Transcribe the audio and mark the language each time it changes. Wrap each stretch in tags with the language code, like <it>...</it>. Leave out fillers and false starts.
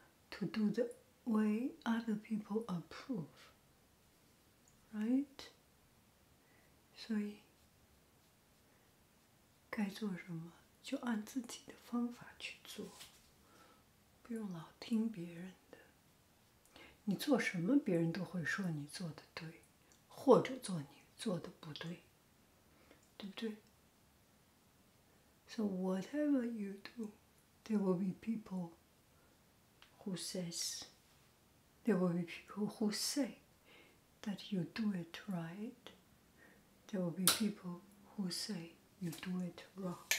<en>To do the way other people approve, right?</en> <zh>所以该做什么就按自己的方法去做，不用老听别人的。你做什么别人都会说你做的对，或者做你做的不对，对不对？</zh> <en>So whatever you do, there will be people who says, there will be people who say that you do it right. There will be people who say you do it wrong.</en>